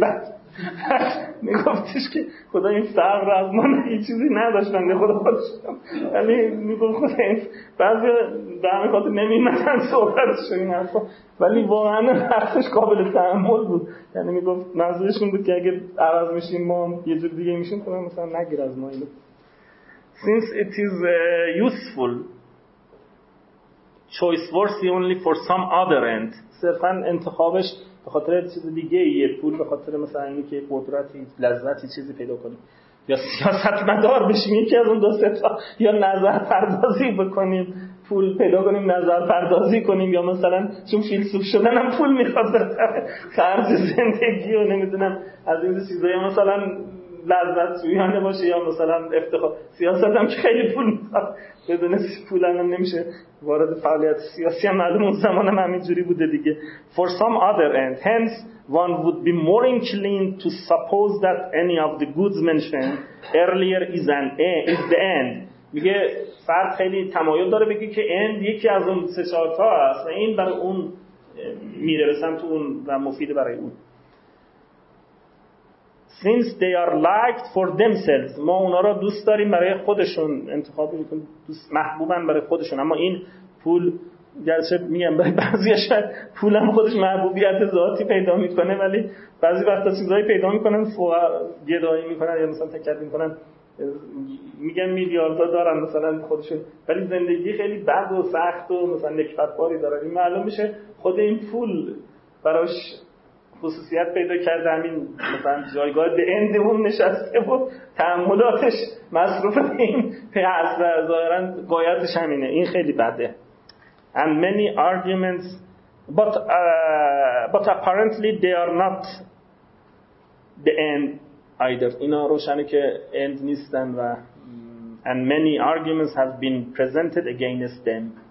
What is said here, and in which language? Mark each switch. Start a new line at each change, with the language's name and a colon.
Persian: بعد میگفتش که خدا این فقر رو از ما نگیریم، هیچ چیزی نداشتن خدا خودشون، ولی میگفت خدا این بعضی به همه خاطر نمیمدن صحبتشون این حرفا، ولی واقعا حرفش قابل تحمل بود. یعنی میگفت نظرشون بود که اگه عوض میشیم ما یه جور دیگه میشیم، خدا مثلا نگیر از ما اینو.
English: Since it is useful, choice worthy only for some other end.
Persian: صرفا انتخابش به خاطر چیز دیگه ایه، پول به خاطر مثلا اینی که قدرتی، لذتی، چیزی پیدا کنیم، یا سیاست مدار بشیم یکی از اون دو سه تا، یا نظر پردازی بکنیم پول پیدا کنیم، نظر پردازی کنیم، یا مثلا چون فیلسوف شدن هم پول میخواد بره خرج زندگی و نمیدونم از این چیزایی، مثلا لذت جویانه باشه، یا مثلا افتخار. سیاست هم که خیلی پول میخواد، بدون پول هم نمیشه وارد فعالیت سیاسی، هم معلوم اون زمان هم همینجوری بوده دیگه.
English: For some other end, hence one would be more inclined to suppose that any of the goods mentioned earlier is an is the end.
Persian: میگه فرد خیلی تمایل داره بگه که end یکی از اون سه چهار تا است، این برای اون میره به سمت اون و مفید برای اون.
English: Since they are liked for themselves.
Persian: ما اونا را دوست داریم برای خودشون، انتخاب میکنیم، دوست محبوبن برای خودشون. اما این پول، گرچه میگم برای بعضی شاید پول هم خودش محبوبیت ذاتی پیدا میکنه، ولی بعضی وقتا چیزایی پیدا میکنن گدایی میکنن، یا مثلا تکرار میکنن، میگن میلیاردها دارن مثلا خودشون، ولی زندگی خیلی بد و سخت و مثلا نکبتباری دارن. این معلوم میشه خود این پول براش خصوصیت پیدا کرده، همین مثلا جایگاه به اند اون نشسته و تعاملاتش مصروف این پیاز و ظاهرا قایتش همینه. این خیلی بده.
English: And many arguments but apparently they are not the end either.
Persian: اینا روشنه که اند نیستن و
English: And many arguments have been presented against them.